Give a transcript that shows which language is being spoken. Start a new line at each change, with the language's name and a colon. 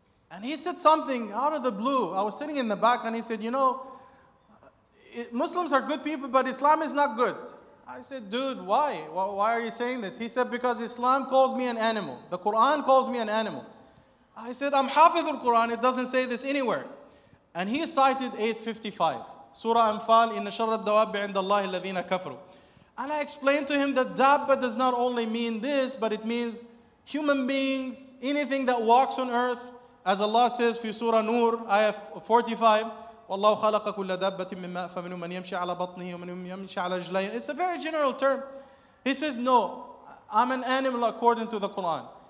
English: And he said something out of the blue. I was sitting in the back and he said, you know, Muslims are good people, but Islam is not good. I said, dude, why? Why are you saying this? He said, because Islam calls me an animal. The Quran calls me an animal. I said, I'm Hafidh al-Quran, it doesn't say this anywhere. And he cited 855, Surah Anfal,
Arabic: إِنَّ شَرَّ الدَّوَابِّ عِنْدَ اللَّهِ الَّذِينَ كَفْرُوا.
English: And I explained to him that dabba does not only mean this, but it means human beings, anything that walks on earth, as Allah says in Surah Nur, Ayah 45,
Arabic: وَاللَّهُ خَلَقَ كُلَّ دَابَّةٍ مِّمَّا فَمِنْهُمْ مَنْ يَمْشِي عَلَى بَطْنِهِ وَمِنْهُمْ يَمْشِي عَلَى رِجْلَيْهِ.
English: It's a very general term. He says, no, I'm an animal according to the Quran.